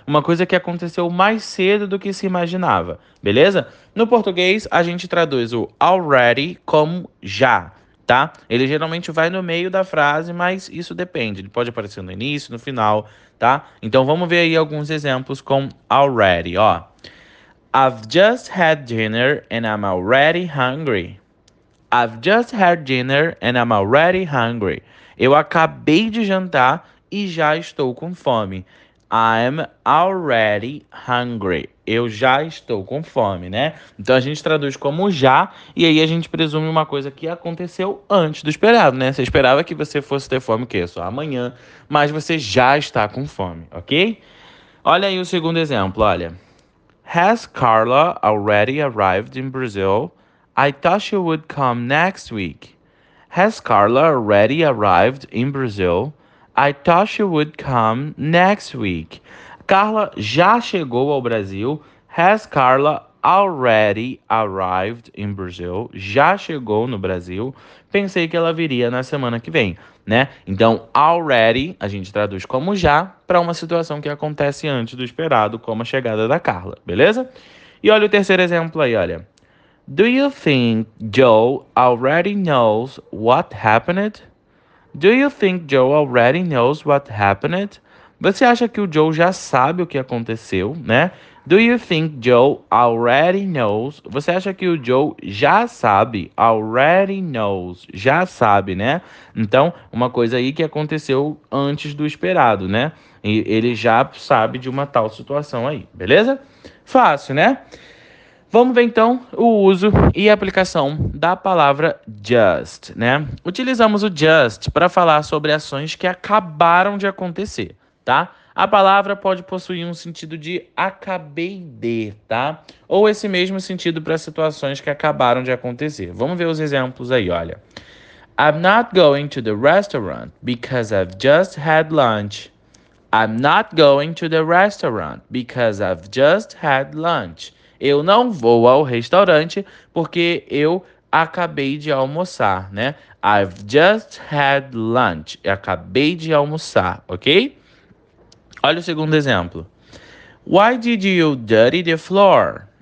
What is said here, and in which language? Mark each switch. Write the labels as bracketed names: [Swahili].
[Portuguese] Uma coisa que aconteceu mais cedo do que se imaginava, beleza? No português, a gente traduz o already como já, tá? Ele geralmente vai no meio da frase, mas isso depende. Ele pode aparecer no início, no final, tá? Então vamos ver aí alguns exemplos com already, ó. [English] I've just had dinner and I'm already hungry. I've just had dinner and I'm already hungry. [Portuguese] Eu acabei de jantar e já estou com fome. [English] I'm already hungry. [Portuguese] Eu já estou com fome, né? Então a gente traduz como já, e aí a gente presume uma coisa que aconteceu antes do esperado, né? Você esperava que você fosse ter fome, o quê? Só amanhã, mas você já está com fome, ok? Olha aí o segundo exemplo, olha. [English] Has Carla already arrived in Brazil? I thought she would come next week. Has Carla already arrived in Brazil? I thought she would come next week. [Portuguese] Carla já chegou ao Brasil. [English] Has Carla already arrived in Brazil? [Portuguese] Já chegou no Brasil. Pensei que ela viria na semana que vem, né? Então, already a gente traduz como já para uma situação que acontece antes do esperado, como a chegada da Carla, beleza? E olha o terceiro exemplo aí, olha. [English] Do you think Joe already knows what happened? Do you think Joe already knows what happened? [Portuguese] Você acha que o Joe já sabe o que aconteceu, né? [English] Do you think Joe already knows? [Portuguese] Você acha que o Joe já sabe? [English] Already knows. [Portuguese] Já sabe, né? Então, uma coisa aí que aconteceu antes do esperado, né? E ele já sabe de uma tal situação aí, beleza? Fácil, né? Vamos ver então o uso e aplicação da palavra just, né? Utilizamos o just para falar sobre ações que acabaram de acontecer, tá? A palavra pode possuir um sentido de acabei de, tá? Ou esse mesmo sentido para situações que acabaram de acontecer. Vamos ver os exemplos aí, olha. [English] I'm not going to the restaurant because I've just had lunch. I'm not going to the restaurant because I've just had lunch. [Portuguese] Eu não vou ao restaurante porque eu acabei de almoçar, né? [English] I've just had lunch. [Portuguese] Eu acabei de almoçar, ok? Olha o segundo exemplo. [English] Why did you dirty the floor?